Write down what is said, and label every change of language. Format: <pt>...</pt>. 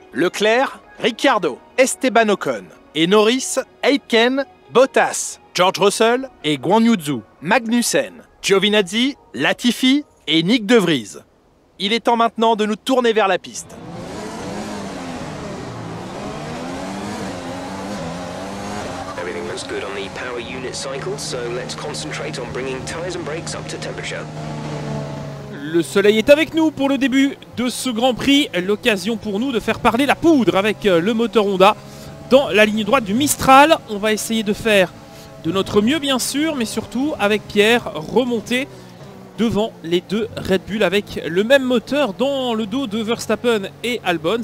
<fr>Leclerc, Ricciardo, Esteban Ocon, et Norris, Aitken, Bottas, George Russell et Guan Yu Zhou, Magnussen, Giovinazzi, Latifi et Nyck de Vries. Il est temps maintenant de nous tourner vers la piste.</fr> <en>Everything looks good on the power unit cycle, so let's concentrate on bringing tires and brakes up to temperature.</en> <fr>Le soleil est avec nous pour le début de ce Grand Prix, l'occasion pour nous de faire parler la poudre avec le moteur Honda dans la ligne droite du Mistral. On va essayer de faire de notre mieux bien sûr, mais surtout avec Pierre remonter devant les deux Red Bull avec le même moteur dans le dos de Verstappen et Albon.</fr>